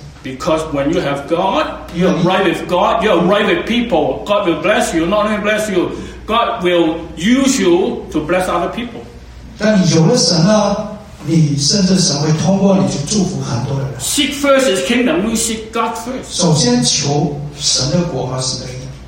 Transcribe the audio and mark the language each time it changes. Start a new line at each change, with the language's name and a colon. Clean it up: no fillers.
English: Because when you have God, you are right with God, you are right with people. God will bless you, not only bless you, God will use you to bless other people.
Chinese: 但你有了神呢，你甚至神会通过你去祝福很多人。
English: Seek first His kingdom, we seek God first.
Chinese: 首先求神的国和神的义。